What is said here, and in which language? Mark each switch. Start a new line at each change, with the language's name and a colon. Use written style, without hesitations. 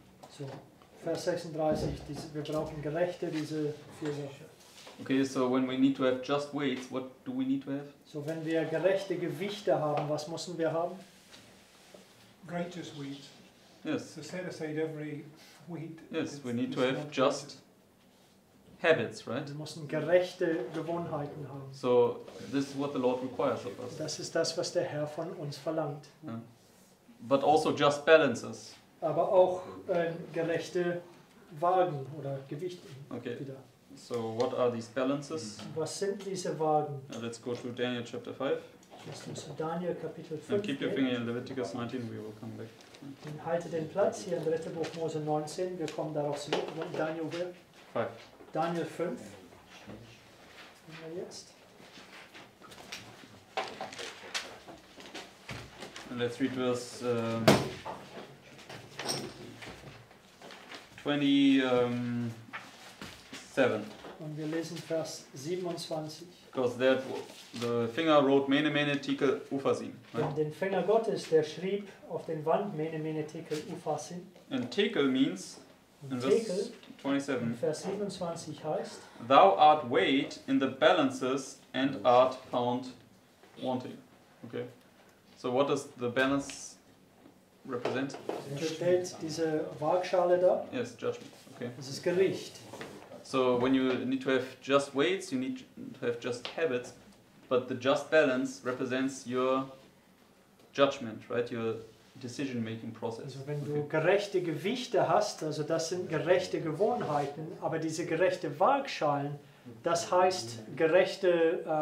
German: So, Vers 36, wir brauchen gerechte diese vier Sachen.
English: Okay, so when we need to have just weights, what do we need to have?
German: So wenn wir gerechte Gewichte haben, was müssen wir haben?
English: Righteous weight. Yes. So set aside every weight. Yes, we need to have just habits, right?
German: Wir müssen gerechte Gewohnheiten haben.
English: So this is what the Lord requires of us.
German: Das ist das, was der Herr von uns verlangt.
English: Yeah. But also just balances.
German: Aber auch gerechte Waagen oder Gewichte.
English: Okay.
German: Wieder.
English: So what are these balances?
German: Was sind diese Waagen?
English: Let's go to Daniel chapter
German: 5. Daniel Kapitel 5.
English: And keep your finger in Leviticus 19, we will come back.
German: Und halte den Platz hier im dritten Buch Mose 19, wir kommen darauf zurück.
English: Daniel 5. Daniel 5.
German: Und jetzt.
English: And let's read verse 27.
German: Und wir lesen Vers 27.
English: Because that the finger wrote Mene Mene Tekel Upharsin. Right?
German: Und den Finger Gottes, der schrieb auf den Wand Mene Mene Tekel Upharsin.
English: And Tekel means in Tekel, verse 27.
German: Vers 27 heißt:
English: Thou art weighed in the balances and art found wanting. Okay. So what does the balance represent?
German: Er stellt diese Waagschale da.
English: Yes, judgment. Okay.
German: Das ist Gericht.
English: So when you need to have just weights, you need to have just habits, but the just balance represents your judgment, right? Your decision making process.
German: Also wenn du gerechte Gewichte hast, also das sind gerechte Gewohnheiten, aber diese gerechte Waagschalen, das heißt gerechte